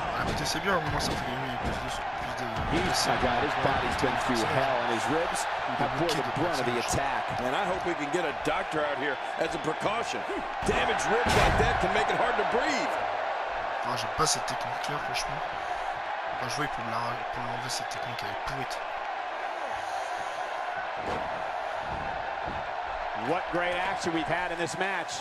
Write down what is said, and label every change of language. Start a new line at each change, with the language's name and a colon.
English: He's got his body's been through hell, and his ribs have bore the brunt of the attack. And I hope we can get a doctor out here as a precaution. Damaged ribs like that can make it hard to breathe.
French: J'aime pas cette technique là, franchement. Pas jouer pour l'enlever cette technique, elle est pourrite.
English: What great action we've had in this match.